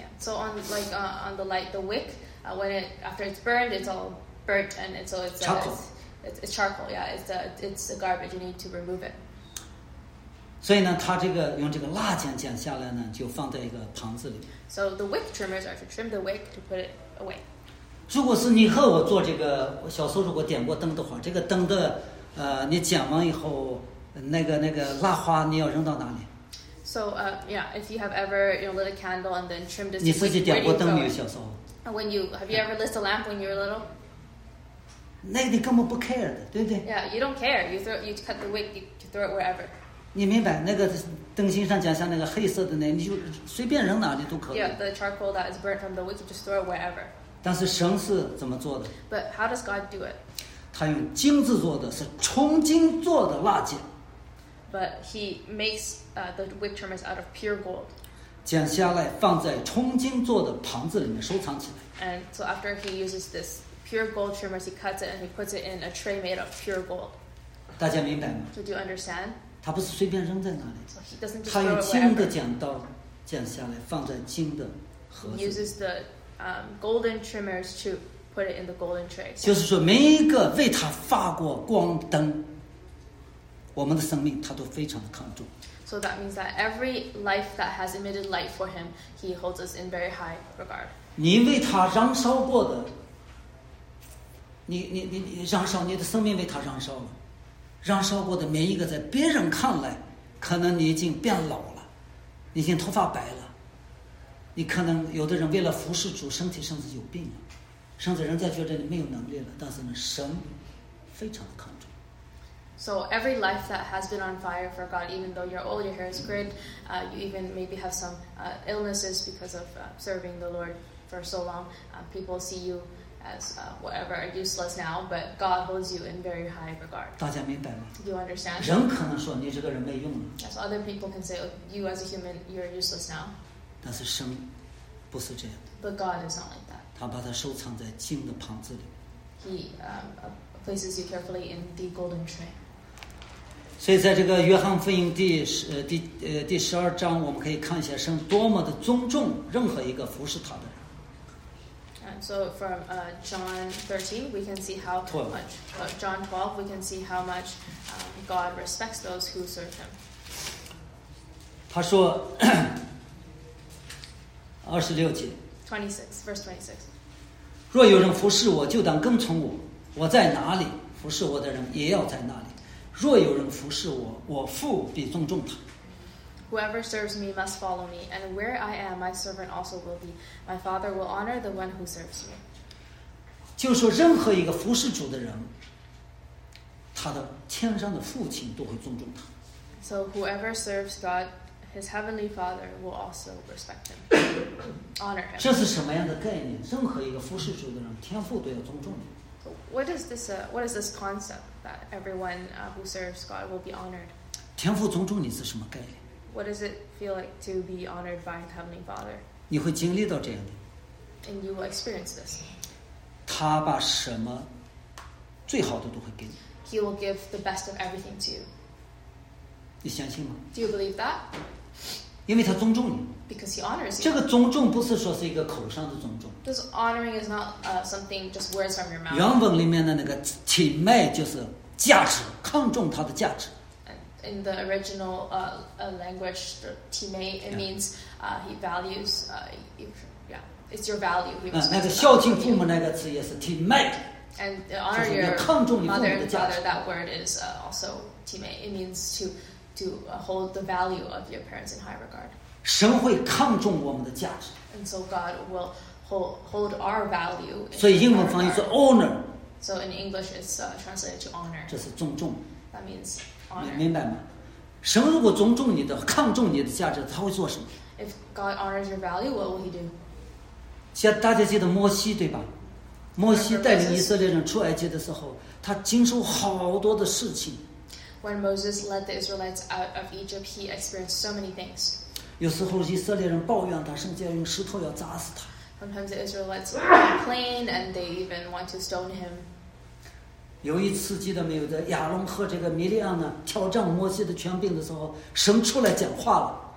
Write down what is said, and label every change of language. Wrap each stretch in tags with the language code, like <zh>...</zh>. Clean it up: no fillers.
<en>Yeah. So on like on the light, the wick, when it after it's burned, it's all burnt and it's so it's charcoal. It's charcoal. Yeah. It's a garbage. You need to remove it.</en> <zh>所以呢，它这个用这个蜡剪剪下来呢，就放在一个盘子里。</zh> <en>So the wick trimmers are to trim the wick to put it away.</en> <zh>如果是你和我做这个，我小时候如果点过灯的话，这个灯的，你剪完以后，那个蜡花你要扔到哪里</zh> <en>？So, yeah, if you have ever you know, lit a candle and then trimmed it,</en> <zh>你自己点过灯没有？小时候</zh> <en>？When you have you ever lit a lamp when you were little?</en> <zh>那个你根本不</zh> <en>care</en> <zh>的，对不对</zh> <en>？Yeah, you don't care. You cut the wick, you throw it wherever.</en> <zh>你明白那个灯芯上剪下那个黑色的那，你就随便扔哪里都可以。</zh> <en>Yeah, the charcoal that is burnt from the wick, you just throw it wherever.</en> <zh>但是神是怎么做的</zh> <en>？But how does God do it?</en> <zh>他用金子做的，是纯金做的蜡剪。</zh> <en>But he makes the wick trimmers out of pure gold.</en> <zh>剪下来放在纯金做的盘子里面收藏起来。</zh> <en>And so after he uses this pure gold trimmers, he cuts it and he puts it in a tray made of pure gold.</en> <zh>大家明白吗</zh> <en>？So do you understand?</en> <zh>他不是随便扔在那里。</zh> <en>So he doesn't just throw it.</en> <zh>他用金的剪刀剪下来放在金的盒子。</zh> <en>He uses theGolden trimmers to put it in the golden tray.</en> <zh>就是说，每一个为他发过光灯，我们的生命他都非常的看重。</zh> <en>So that means that every life that has emitted light for him, he holds us in very high regard.</en> <zh>你为他燃烧过的，你燃烧你的生命为他燃烧了，燃烧过的每一个在别人看来，可能你已经变老了，你已经头发白了。你可能有的人为了服侍主，身体甚至有病了，甚至人家觉得你没有能力了。但是呢，神非常的看重。</zh> <en>So every life that has been on fire for God, even though you're old, your hair is gray, you even maybe have some illnesses because of serving the Lord for so long, people see you as whatever, useless now. But God holds you in very high regard.</en> <zh>大家明白吗</zh> <en>？Do you understand?</en> <zh>人可能说你这个人没用了。</zh> <en>Yes, other people can say, oh, you as a human, you're useless now.</en> <zh>但是神不是这样的。</zh> <en>But God is not like that.</en> <zh>他把它收藏在金的盘子里。</zh> <en>He places you carefully in the golden tray.</en> <zh>所以在这个约翰福音第十二章，我们可以看一下神多么的尊重任何一个服侍他的人。</zh> <en>And so from John 13, we can see how much. John 12, we can see how much God respects those who serve him.</en> <zh>他说。二十六节</zh> <en>26, verse 26.</en> <zh>若有人服侍我，就当跟从我。我在哪里，服侍我的人也要在那里。若有人服侍我，我父必尊重他。</zh> <en>Whoever serves me must follow me, and where I am, my servant also will be. My father will honor the one who serves me.</en> <zh>就说任何一个服侍主的人，他的天上的父亲都会尊重他。</zh> <en>So whoever serves God. His heavenly Father will also respect him, honor him.</en> <zh>这是什么样的概念？任何一个服侍主的人，天父都要尊重你。</zh> <en>What is this concept that everyone who serves God will be honored?</en> <zh>天父尊重你是什么概念</zh> <en>？What does it feel like to be honored by his heavenly Father?</en> <zh>你会经历到这样的。</zh> <en>And you will experience this.</en> <zh>他把什么最好的都会给你。</zh> <en>He will give the best of everything to you.</en> <zh>你相信吗</zh> <en>？Do you believe that?</en> <zh>因为他尊重你。</zh> <en>Because he honors you.</en> <zh>这个尊重不是说是一个口上的尊重。</zh> <en>This honoring is not something just words from your mouth.</en> <zh>原文里面的那个钦佩就是价值，看重他的价值。</zh> <en>In the original language, 钦佩 it means he values it's your value.</en> <zh>那个孝敬父母那个词也是钦佩。</zh> <en>And honor your mother and father, that word is also teammate. It means to hold the value of your parents in high regard.</en> <zh>神会看重我们的价值。</zh> <en>And so God will hold our value.</en> <zh>所以英文翻译是 honor.</zh> <en>So in English, it's translated to honor.</en> <zh>这是尊重。</zh> <en>That means honor.</en> <zh>明白吗？神如果尊重你的、看重你的价值，他会做什么</zh> <en>？If God honors your value, what will He do?</en> <zh>大家记得摩西对吧？摩西带领以色列人出埃及的时候，他经受好多的事情。</zh> <en>When Moses led the Israelites out of Egypt, he experienced so many things.</en> <zh>有时候以色列人抱怨他，甚至要用石头要砸死他。</zh> <en>Sometimes the Israelites complain and they even want to stone him.</en> <zh>有一次记得没有的，亚伦和这个米利亚呢挑战摩西的权柄的时候，神出来讲话了。</zh>